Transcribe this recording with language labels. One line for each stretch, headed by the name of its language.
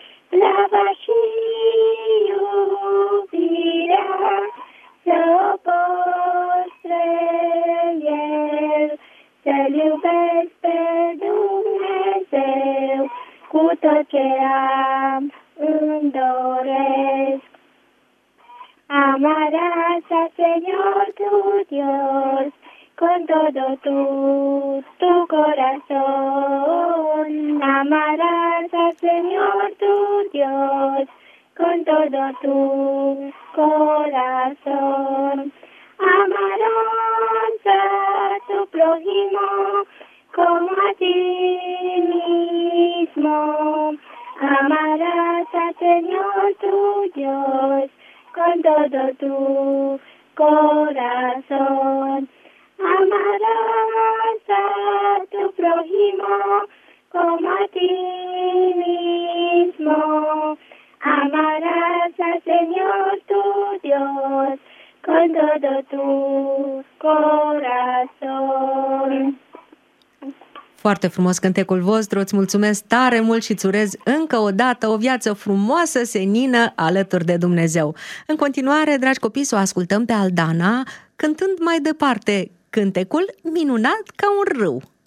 Romanian: Slava și iubirea să o poștre el. Să-L iubesc pe Dumnezeu cu tot ce am, îmi doresc.
Spanish: Amarea sa, Señor, tu Dios, con todo tu corazón. Amarás al Señor tu Dios con todo tu corazón. Amarás a tu prójimo como a ti mismo. Amarás al Señor tu Dios con todo tu corazón. Amarás a tu prójimo como a ti mismo. Amarás al Señor tu Dios con todo tu corazón.
Romanian: Foarte frumos cântecul vostru, îți mulțumesc tare mult și îți urez încă o dată o viață frumoasă, senină, alături de Dumnezeu. În continuare, dragi copii, să o ascultăm pe Aldana, cântând mai departe cântecul Minunat ca un râu.